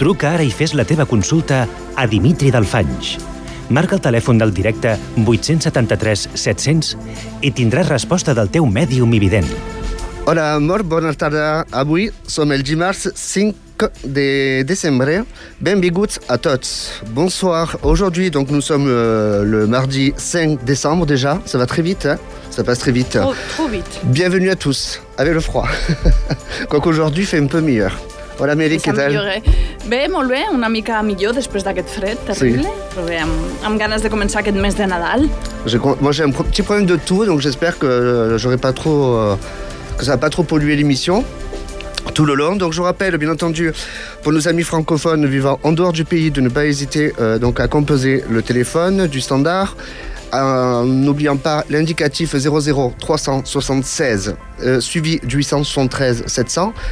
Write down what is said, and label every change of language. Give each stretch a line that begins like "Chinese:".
Catalan: Truca ara i fes la teva consulta a Dimitri Dalfanys. Marca el telèfon del directe 873-700 i tindràs resposta del teu mèdium evident. Hola, amor, bona tarda. Avui som el dimarts 5 de desembre. Benvinguts a tots. Bonsoir.
French: Aujourd'hui, donc, nous sommes le mardi 5 décembre déjà. Ça va très vite, hein? Ça passe très vite. Trop vite. Bienvenue à tous. Avec le froid. Quoique aujourd'hui, fait un peu meilleur.
Catalan: Hola, Mary, què tal? Bé, molt bé, una mica millor després d'aquest fred terrible. Sí. Però bé, amb ganes de començar aquest mes de Nadal.
French: Moi, j'ai un petit problème de tout, donc j'espère que j'aurai pas trop, que ça va pas trop polluer l'émission tout le long. Donc je rappelle, bien entendu, pour nos amis francophones vivant en dehors du pays, de ne pas hésiter donc à composer le téléphone du standard. N'oubliant pas l'indicatif 00-376, suivi du 873-700.